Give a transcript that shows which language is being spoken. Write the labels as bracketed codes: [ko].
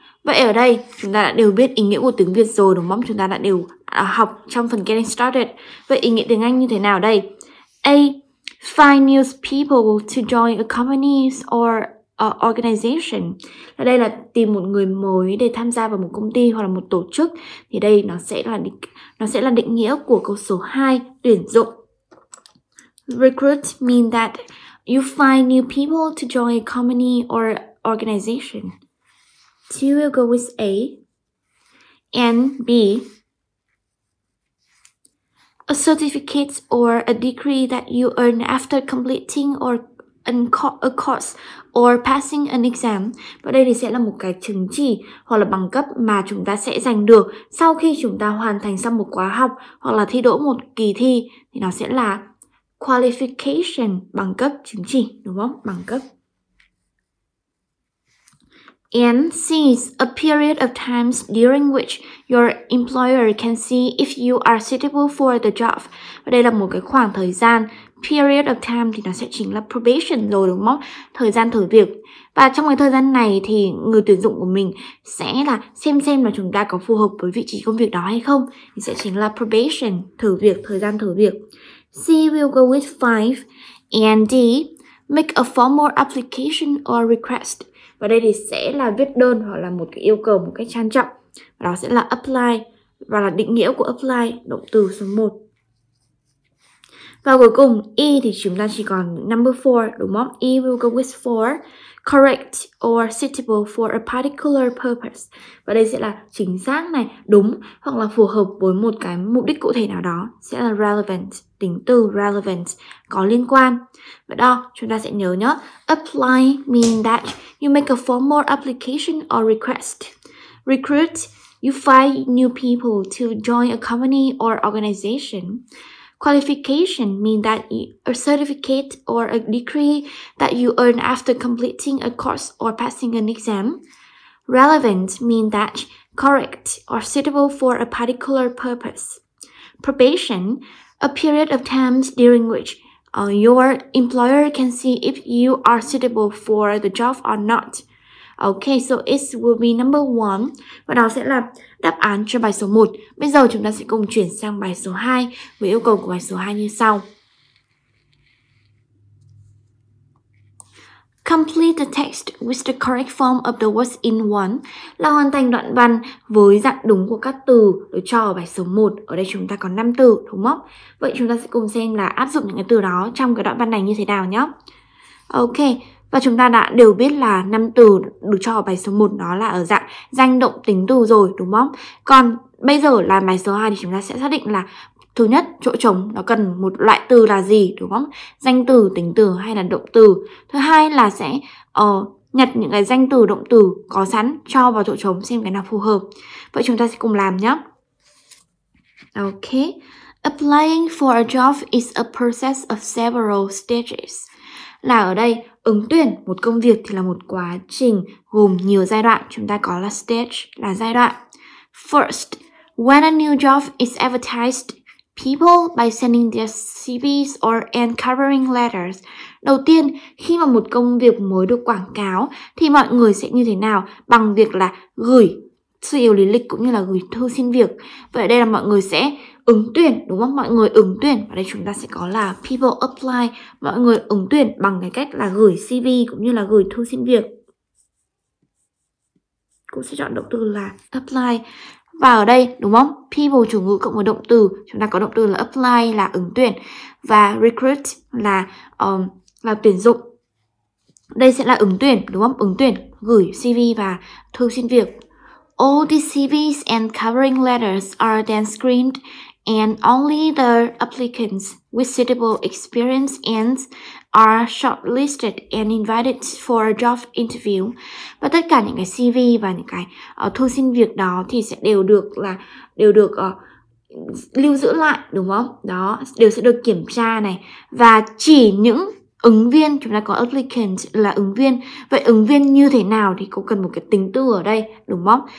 [vi] Vậy ở đây, chúng ta đã đều biết ý nghĩa của tiếng Việt rồi, đúng không? Chúng ta đã đều học trong phần Getting Started. Vậy ý nghĩa tiếng Anh như thế nào đây? [en] A. Find new people to join a company or a organization. [vi] Ở đây là tìm một người mới để tham gia vào một công ty hoặc là một tổ chức. Thì đây nó sẽ là định nghĩa của câu số 2, tuyển dụng. [en] Recruit mean that you find new people to join a company or organization. Two will go with A. And B. A certificate or a degree that you earn after completing or a course or passing an exam. [vi] Và đây thì sẽ là một cái chứng chỉ hoặc là bằng cấp mà chúng ta sẽ giành được sau khi chúng ta hoàn thành xong một khóa học hoặc là thi đỗ một kỳ thi, thì nó sẽ là qualification, bằng cấp, chứng chỉ, đúng không? Bằng cấp. [en] And since a period of times during which your employer can see if you are suitable for the job. [vi] Và đây là một cái khoảng thời gian, [en] period of time [vi] thì nó sẽ chính là probation rồi đúng không? Thời gian thử việc. Và trong cái thời gian này thì người tuyển dụng của mình sẽ là xem là chúng ta có phù hợp với vị trí công việc đó hay không. Thì sẽ chính là probation, thử việc, thời gian thử việc. [en] C will go with 5. And D, make a formal application or request. [vi] Và đây thì sẽ là viết đơn hoặc là một cái yêu cầu một cách trang trọng. Và đó sẽ là apply và là định nghĩa của apply, động từ số 1. Và cuối cùng, E thì chúng ta chỉ còn number 4, đúng không? [en] E will go with 4, correct or suitable for a particular purpose. [vi] Và đây sẽ là chính xác này, đúng hoặc là phù hợp với một cái mục đích cụ thể nào đó. Sẽ là relevant, tính từ relevant, có liên quan. Và đó, chúng ta sẽ nhớ nhé. [en] Apply mean that you make a formal application or request. Recruit, you find new people to join a company or organization. Qualification means that a certificate or a degree that you earn after completing a course or passing an exam. Relevant means that correct or suitable for a particular purpose. Probation, a period of time during which your employer can see if you are suitable for the job or not. Okay, so it will be number 1. [vi] Và đó sẽ là đáp án cho bài số 1. Bây giờ chúng ta sẽ cùng chuyển sang bài số 2 với yêu cầu của bài số 2 như sau. [en] Complete the text with the correct form of the words in 1. [vi] Là hoàn thành đoạn văn với dạng đúng của các từ được cho ở bài số 1. Ở đây chúng ta có 5 từ, đúng không? Vậy chúng ta sẽ cùng xem là áp dụng những cái từ đó trong cái đoạn văn này như thế nào nhé. Okay, Và chúng ta đã đều biết là năm từ được cho ở bài số 1 nó là ở dạng danh động tính từ rồi, đúng không? Còn bây giờ là bài số 2 thì chúng ta sẽ xác định là thứ nhất, chỗ trống nó cần một loại từ là gì, đúng không? Danh từ, tính từ hay là động từ. Thứ hai là sẽ nhặt những cái danh từ, động từ có sẵn cho vào chỗ trống xem cái nào phù hợp. Vậy chúng ta sẽ cùng làm nhé. [en] Ok. Applying for a job is a process of several stages. [vi] Là ở đây, ứng tuyển một công việc thì là một quá trình gồm nhiều giai đoạn. Chúng ta có là stage, là giai đoạn. [en] First, when a new job is advertised, people by sending their CVs or covering letters. [vi] Đầu tiên, khi mà một công việc mới được quảng cáo thì mọi người sẽ như thế nào? Bằng việc là gửi sự yếu lý lịch cũng như là gửi thư xin việc. Vậy đây là mọi người sẽ ứng tuyển, đúng không? Mọi người ứng tuyển. Và đây chúng ta sẽ có là people apply. Mọi người ứng tuyển bằng cái cách là gửi CV cũng như là gửi thư xin việc. Cũng sẽ chọn động từ là apply. Và ở đây, đúng không? People chủ ngữ cộng với động từ. Chúng ta có động từ là apply là ứng tuyển. Và recruit là tuyển dụng. Đây sẽ là ứng tuyển, đúng không? Ứng tuyển, gửi CV và thư xin việc. [en] All the CVs and covering letters are then screened and only the applicants with suitable experience and are shortlisted and invited for a job interview. [vi] Và tất cả những cái CV và những cái thư xin việc đó thì sẽ đều được lưu giữ lại, đúng không? Đó, đều sẽ được kiểm tra này. Và chỉ những ứng viên, chúng ta có applicant là ứng viên. Vậy ứng viên như thế nào thì cũng cần một cái tính từ ở đây, đúng không?